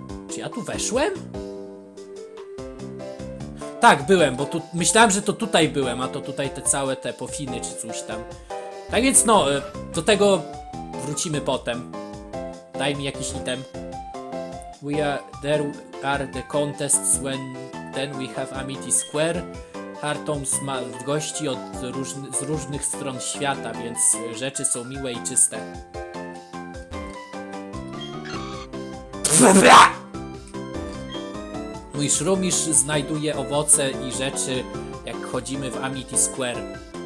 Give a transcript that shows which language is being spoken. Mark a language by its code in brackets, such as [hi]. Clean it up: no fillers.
[pl] Czy ja tu weszłem? Tak, byłem, bo tu myślałem, że to tutaj byłem, a to tutaj te całe te pofiny czy coś tam. Tak więc no, do tego wrócimy potem. Daj mi jakiś item. [en] There are the contests when then we have Amity Square. [pl] Hartoms ma gości od z różnych stron świata, więc rzeczy są miłe i czyste. Mój Shroomish znajduje owoce i rzeczy, jak chodzimy w Amity Square.